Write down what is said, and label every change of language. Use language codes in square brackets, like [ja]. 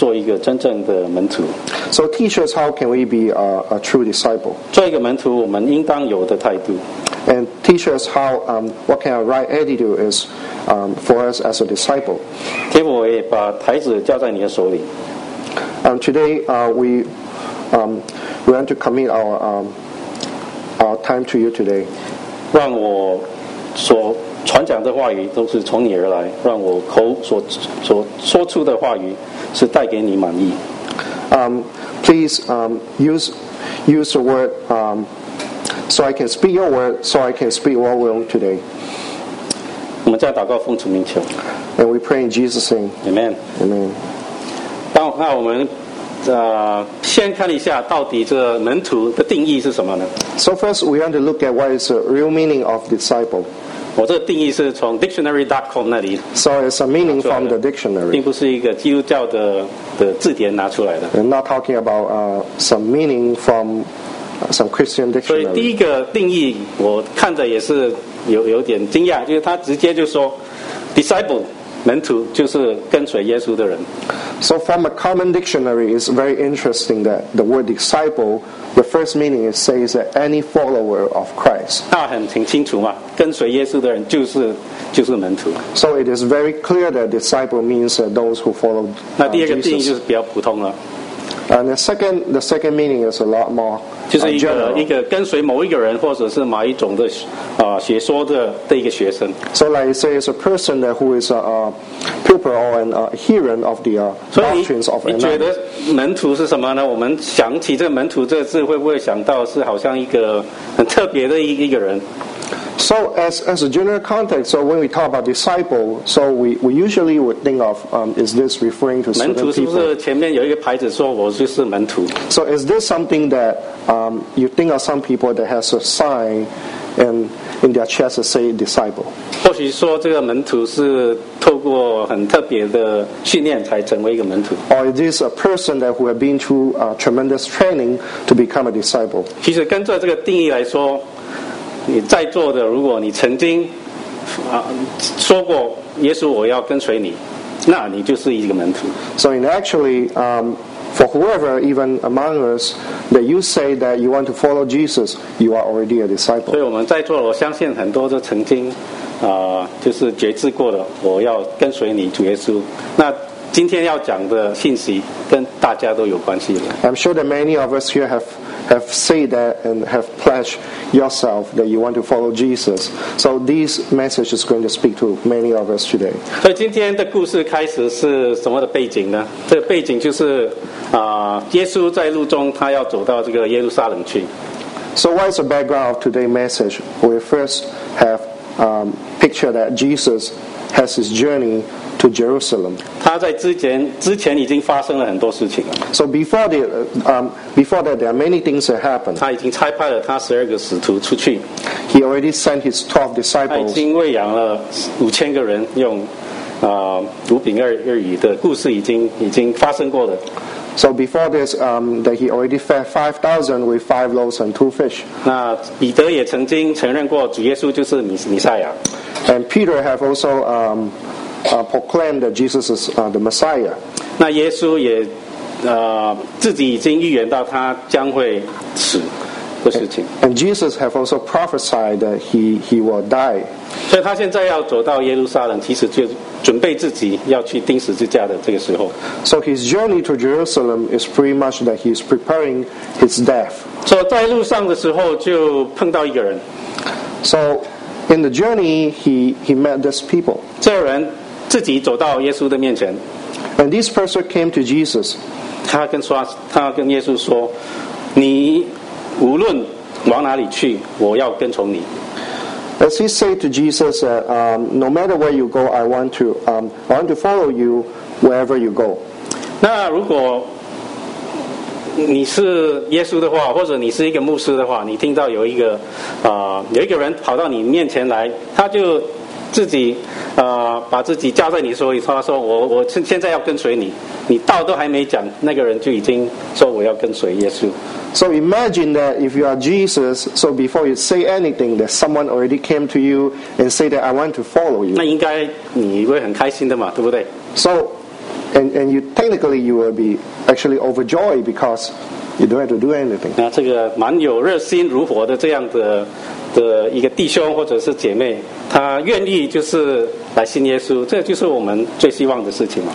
[zh] 让我们晓得我们怎么样才可以做一个真正的门徒。So [en] teach us how can we be a true disciple. [zh] 做一个门徒我们应当有的态度。And [en] teach us how what kind of right attitude is for us as a disciple. [zh] 天父，我也把台子交在你的手里。And [en] today we want to commit our time to you today. [zh] 让我所传讲的话语都是从你而来，让我口所说出的话语是带给你满意。 [en] Please use the word so I can speak your word, so I can speak your will today. [zh] 我们在祷告奉主名求。 [en] And we pray in Jesus' name. Amen. Amen. [zh] 帮那我们先看一下到底这门徒的定义是什么呢 [en] ？So first, we want to look at what is the real meaning of disciple. [zh] 我这个定义是从 dictionary.com 那里。 [en] So it's a meaning from the dictionary. [zh] 并不是一个基督教的字典拿出来的。 [en] I'm not talking about some meaning from some Christian dictionary. [zh] 所以第一个定义我看着也是有点惊讶，就是他直接就说 disciple。门徒就是跟随耶稣的人。 [en] So from a common dictionary, it's very interesting that the word disciple, the first meaning it says that any follower of Christ. [zh] 那很挺清楚嘛，跟随耶稣的人就是门徒。 [en] So it is very clear that disciple means those who follow Jesus. [zh] 那第二个定义就是比较普通了。 [en] And the second meaning is a lot more general. [zh] 就是一个跟随某一个人或者是某一种的学说的一个学生。 [en] So like you say, it's a person that who is a pupil or an adherent of the doctrines of another. [zh] 你觉得门徒是什么呢？我们想起这个门徒这个字，会不会想到是好像一个很特别的一个人？ [en] So as a general context, so when we talk about disciple, so we usually would think of is this referring to certain people? [zh] 门徒是不是前面有一个牌子说我就是门徒？ [en] So is this something that you think of some people that has a sign in their chest to say disciple? [zh] 或许说这个门徒是透过很特别的训练才成为一个门徒。 [en] Or is this a person that who have been through tremendous training to become a disciple? [zh] 其实根据这个定义来说。你在座的，如果你曾经说过耶稣，我要跟随你，那你就是一个门徒。 [en] So in actually, for whoever, even among us, that you say that you want to follow Jesus, you are already a disciple. [zh] 所以我们在座的，我相信很多都曾经就是决志过的，我要跟随你主耶稣。那今天要讲的信息跟大家都有关系的。 [en] I'm sure that many of us here have said that and have pledged yourself that you want to follow Jesus. So this message is going to speak to many of us today. [zh] 所以今天的故事开始是什么的背景呢？这个背景就是耶稣在路中，他要走到这个耶路撒冷去。 [en] So what is the background of today's message? We first have picture that Jesus has his journey to Jerusalem. [zh] 他在之前已经发生了很多事情了。 [en] So before that, there are many things that happened. [zh] 他已经差派了他十二个使徒出去。 [en] He already sent his 12 disciples. [zh] 他已经喂养了5000个人用五饼二鱼的故事已经发生过了。 [en] So before this, that he already fed 5,000 with 5 loaves and 2 fish. [zh] 那彼得也曾经承认过主耶稣就是弥赛亚。 [en] And Peter have also proclaimed that Jesus is the Messiah. [zh] 那耶稣也自己已经预言到他将会死的事情。 [en] And Jesus have also prophesied that he will die. [zh] 所以他现在要走到耶路撒冷，其实就准备自己要去钉十字架的这个时候。 [en] So his journey to Jerusalem is pretty much that he is preparing his death. [zh] 所以在路上的时候就碰到一个人。 [en] So in the journey, he met this people. [zh] 这个人自己走到耶稣的面前。 [en] And this person came to Jesus. [zh] 他跟耶稣说，你无论往哪里去，我要跟从你。 [en] As he said to Jesus, no matter where you go, I want to follow you wherever you go. [zh] 那如果你是耶稣的话，或者你是一个牧师的话，你听到有一个人跑到你面前来，他就自己把自己架在你手里，他说我现在要跟随你，你道都还没讲，那个人就已经说我要跟随耶稣。 [en] So imagine that if you are Jesus, so before you say anything, that someone already came to you and say that I want to follow you. [zh] 那应该你会很开心的嘛，对不对 [en] ？So, and you technically you will be actually overjoyed because you don't have to do anything. [zh] 那这个蛮有热心如火的这样的的一个弟兄或者是姐妹，他愿意就是来信耶稣，这就是我们最希望的事情嘛。